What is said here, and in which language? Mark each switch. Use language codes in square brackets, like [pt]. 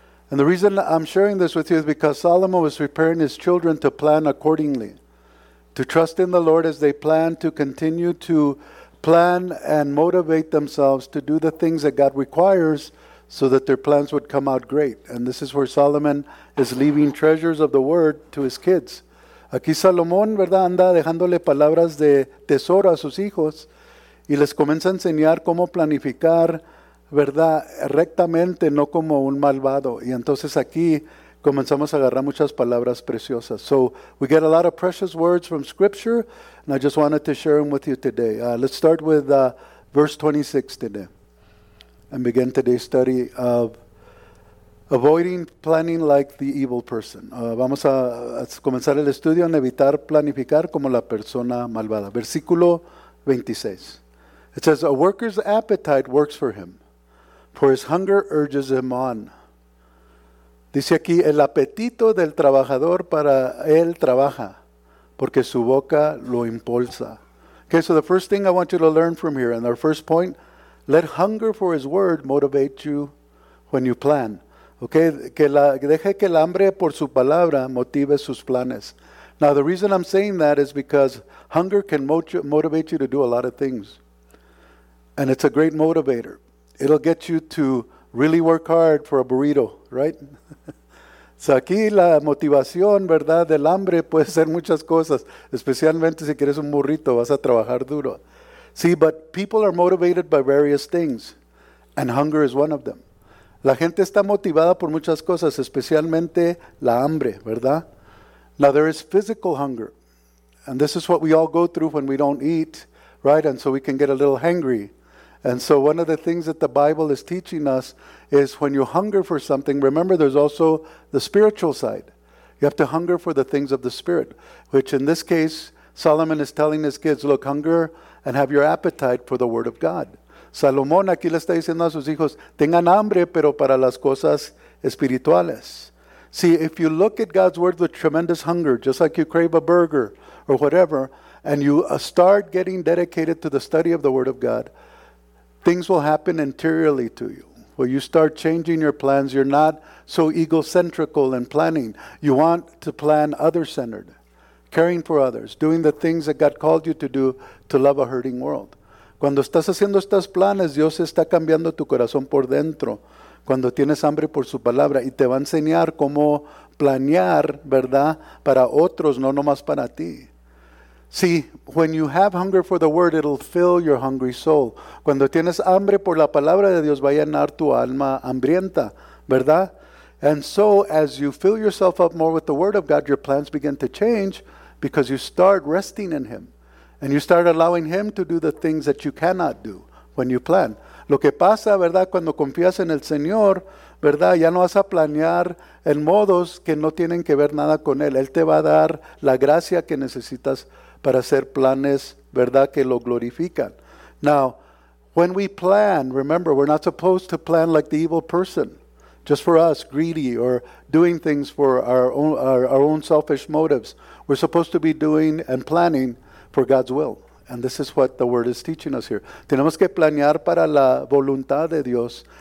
[en] And the reason I'm sharing this with you is because Solomon was preparing his children to plan accordingly, to trust in the Lord as they plan to continue to plan and motivate themselves to do the things that God requires so that their plans would come out great. And this is where Solomon is leaving treasures of the word to his kids. [es] Aquí Salomón, ¿verdad?, anda dejándole palabras de tesoro a sus hijos y les comienza a enseñar cómo planificar, ¿verdad?, rectamente, no como un malvado. Y entonces aquí comenzamos a agarrar muchas palabras preciosas. [en] So we get a lot of precious words from Scripture, and I just wanted to share them with you today. Let's start with verse 26 today. And begin today's study of avoiding planning like the evil person. [es] Vamos a comenzar el estudio en evitar planificar como la persona malvada. Versículo 26. [en] It says, a worker's appetite works for him, for his hunger urges him on. [es] Dice aquí, el apetito del trabajador para él trabaja, porque su boca lo impulsa. [en] Okay, so the first thing I want you to learn from here, and our first point, let hunger for his word motivate you when you plan. [es] Okay, deje que el hambre por su palabra motive sus planes. [en] Now, the reason I'm saying that is because hunger can motivate you to do a lot of things. And it's a great motivator. It'll get you to really work hard for a burrito, right? [es] So aquí la motivación, ¿verdad?, del hambre puede ser muchas cosas. Especialmente si quieres un burrito, vas a trabajar duro. [en] See, but people are motivated by various things, and hunger is one of them. [es] La gente está motivada por muchas cosas, especialmente la hambre, ¿verdad? [en] Now, there is physical hunger, and this is what we all go through when we don't eat, right? And so we can get a little hangry. And so one of the things that the Bible is teaching us is when you hunger for something, remember, there's also the spiritual side. You have to hunger for the things of the Spirit, which in this case, Solomon is telling his kids, look, hunger and have your appetite for the word of God. Salomón aquí le está diciendo a sus hijos, tengan hambre, pero para las cosas espirituales. See, if you look at God's word with tremendous hunger, just like you crave a burger or whatever, and you start getting dedicated to the study of the word of God, things will happen interiorly to you. Well, you start changing your plans. You're not so egocentrical in planning. You want to plan other-centered, caring for others, doing the things that God called you to do to love a hurting world. [es] Cuando estás haciendo estos planes, Dios está cambiando tu corazón por dentro. Cuando tienes hambre por su palabra, y te va a enseñar cómo planear, ¿verdad?, para otros, no nomás para ti. [en] See, when you have hunger for the word, it'll fill your hungry soul. [es] Cuando tienes hambre por la palabra de Dios, va a llenar tu alma hambrienta, ¿verdad? [en] And so, as you fill yourself up more with the word of God, your plans begin to change because you start resting in him. And you start allowing him to do the things that you cannot do when you plan. [es] Lo que pasa, ¿verdad?, cuando confías en el Señor, ¿verdad?, ya no vas a planear en modos que no tienen que ver nada con él. Él te va a dar la gracia que necesitas para hacer planes, ¿verdad?, que lo glorifican. [en] Now, when we plan, remember, we're not supposed to plan like the evil person. Just for us, greedy, or doing things for our own selfish motives. We're supposed to be doing and planning for God's will. And this is what the word is teaching us here. [es] Tenemos que planear para la voluntad de Dios.